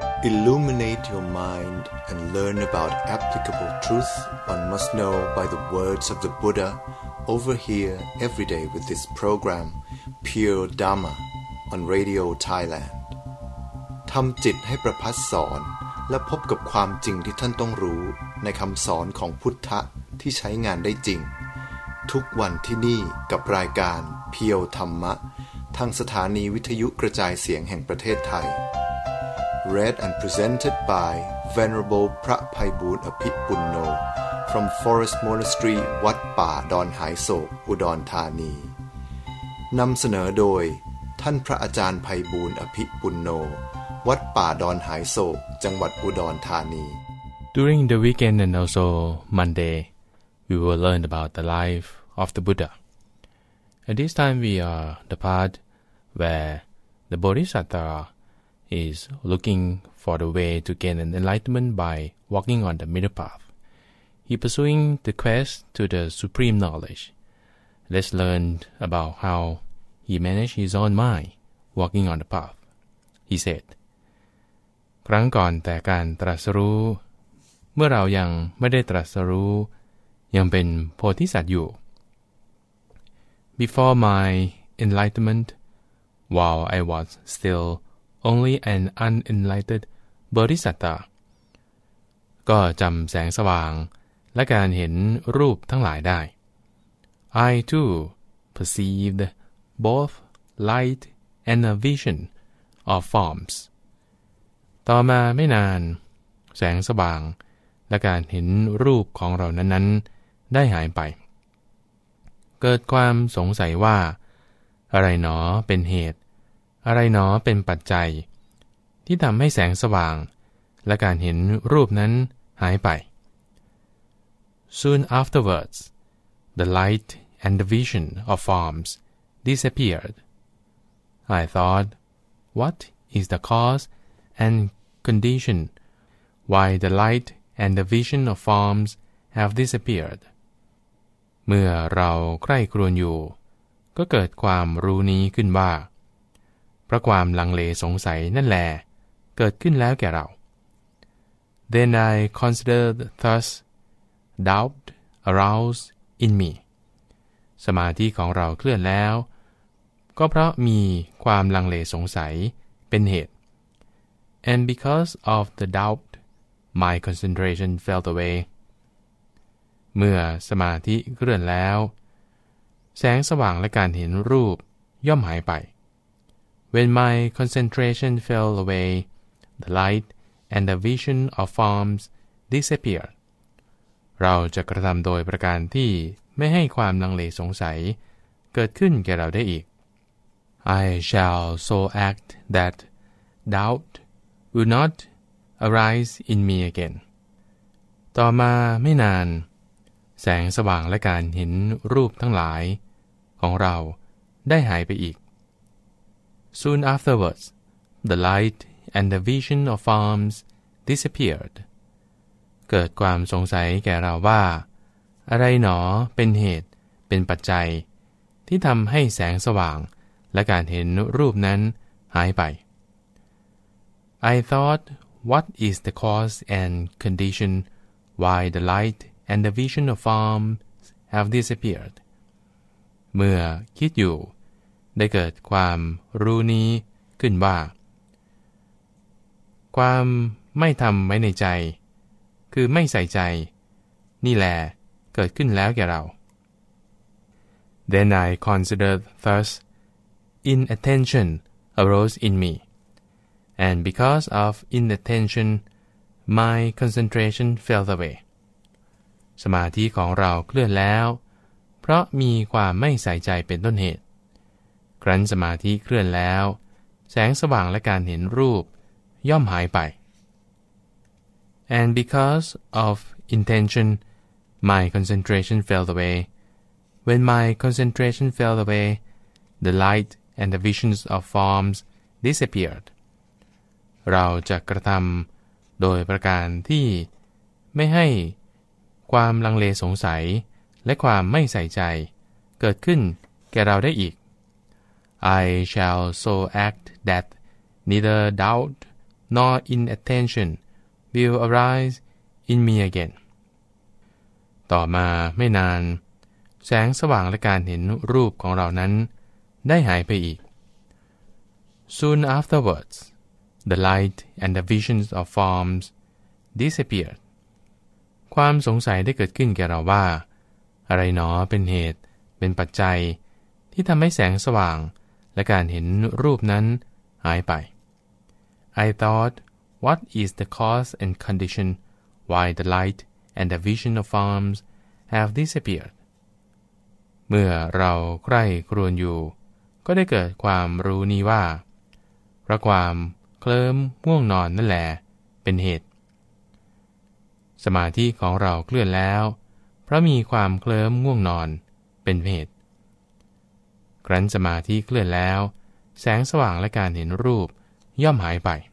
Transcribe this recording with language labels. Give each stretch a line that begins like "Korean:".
English: Illuminate your mind and learn about applicable truth one must know by the words of the Buddha over here every day with this program, Pure Dharma, on Radio Thailand.
Thai: ทำจิตให้ประพัสสอนและพบกับความจริงที่ท่านต้องรู้ในคำสอนของพุทธะที่ใช้งานได้จริงทุกวันที่นี่กับรายการเพียวธรรมะทางสถานีวิทยุกระจายเสียงแห่งประเทศไทย
English: Read and presented by Venerable พระไพบูลย์อภิปุณโญ from Forest Monastery วัดป่าดอนหายโศกอุดรธานี
Thai: นำเสนอโดยท่านพระอาจารย์ไพบูลย์อภิปุณโญวัดป่าดอนหายโศกจังหวัดอุดรธานี
English: During the weekend and also MondayWe will learn about the life of the Buddha. At this time, we are the part where the Bodhisattva is looking for the way to gain an enlightenment by walking on the middle path. He pursuing the quest to the supreme knowledge. Let's learn about how he managed his own mind walking on the path. He said,
Thai: ครั้งก่อนแต่การตรัสรู้เมื่อเรายังไม่ได้ตรัสรู้ยังเป็นโพธิสัตว์อยู่
English: Before my enlightenment, while I was still only an unenlightened bodhisattva,
Thai: ก็จำแสงสว่างและการเห็นรูปทั้งหลายได้
English: I too perceived both light and a vision of forms.
Thai: ต่อมาไม่นานแสงสว่างและการเห็นรูปของเรานั้นๆได้หายไปเกิดความสงสัยว่าอะไรหนอเป็นเหตุอะไรหนอเป็นปัจจัยที่ทำให้แสงสว่างและการเห็นรูปนั้นหายไป
English: Soon afterwards, the light and the vision of forms disappeared. I thought, what is the cause and condition why the light and the vision of forms have disappeared?
Thai: เมื่อเราใคร่ครวญอยู่ก็เกิดความรู้นี้ขึ้นว่าเพราะความลังเลสงสัยนั่นแหละเกิดขึ้นแล้วแก่เรา
English: Then I considered thus doubt arose in me
Thai: สมาธิของเราเคลื่อนแล้วก็เพราะมีความลังเลสงสัยเป็นเหตุ
English: And because of the doubt my concentration fell away
Thai: เมื่อสมาธิเคลื่อนแล้วแสงสว่างและการเห็นรูปย่อมหายไป
English: When my concentration fell away, the light and the vision of forms disappeared.
Thai: เราจะกระทำโดยประการที่ไม่ให้ความลังเลสงสัยเกิดขึ้นแก่เราได้อีก
English: I shall so act that doubt will not arise in me again.
Thai: ต่อมาไม่นานแสงสว่างและการเห็นรูปทั้งหลายของเราได้หายไปอีก
English: Soon afterwards, the light and the vision of forms disappeared.
Thai: เกิดความสงสัยแก่เราว่าอะไรหนอเป็นเหตุเป็นปัจจัยที่ทำให้แสงสว่างและการเห็นรูปนั้นหายไป
English: I thought, what is the cause and condition why the lightAnd the vision of forms have disappeared.
Thai: เมื่อคิดอยู่ได้เกิดความรู้นี้ขึ้นว่าความไม่ทำไว้ในใจคือไม่ใส่ใจนี่แหละเกิดขึ้นแล้วแก่เรา
English: Then I considered thus, inattention arose in me, and because of inattention, my concentration fell away.
Thai: สมาธิของเราเคลื่อนแล้วเพราะมีความไม่ใส่ใจเป็นต้นเหตุครั้นสมาธิเคลื่อนแล้วแสงสว่างและการเห็นรูปย่อมหายไป
English: And because of intention, my concentration fell away. When my concentration fell away, the light and the visions of forms disappeared.
Thai: เราจะกระทำโดยประการที่ไม่ให้ความลังเลสงสัยและความไม่ใส่ใจเกิดขึ้นแก่เราได้อีก
English: I shall so act that neither doubt nor inattention will arise in me again.
Thai: ต่อมาไม่นานแสงสว่างและการเห็นรูปของเรานั้นได้หายไปอีก
English: Soon afterwards, the light and the visions of forms disappeared.
Thai: ความสงสัยได้เกิดขึ้นแก่เราว่าอะไรหนอเป็นเหตุเป็นปัจจัยที่ทำให้แสงสว่างและการเห็นรูปนั้นหายไป
English: I thought, what is the cause and condition why the light and the vision of forms have disappeared?
Thai: เมื่อเราใคร่ครวญอยู่ก็ได้เกิดความรู้นี้ว่าเพราะความเคลิ้มม่วงนอนนั่นแหละเป็นเหตุสมาธิของเราเคลื่อนแล้วเพราะมีความเคลิ้มง่วงนอนเป็นเหตุครั้นสมาธิเคลื่อนแล้วแสงสว่างและการเห็นรูปย่อมหายไป